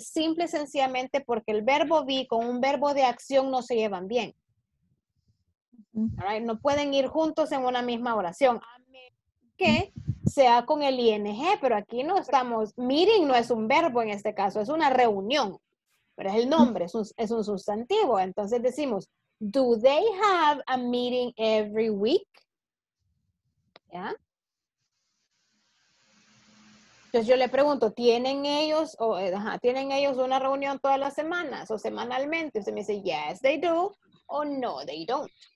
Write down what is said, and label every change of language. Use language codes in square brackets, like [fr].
[es] Simple y sencillamente porque el verbo be con un verbo de acción no se llevan bien. Right? No pueden ir juntos en una misma oración. A menos que sea con el ing, pero aquí no estamos. Meeting no es un verbo en este caso, es una reunión. Pero es el nombre, es un sustantivo. Entonces decimos, [en] do they have a meeting every week? ¿Ya? Yeah. [es] Entonces yo le pregunto, ¿tienen ellos una reunión todas las semanas o semanalmente? Usted me dice, [en] yes, they do, [es] o no, [en] they don't.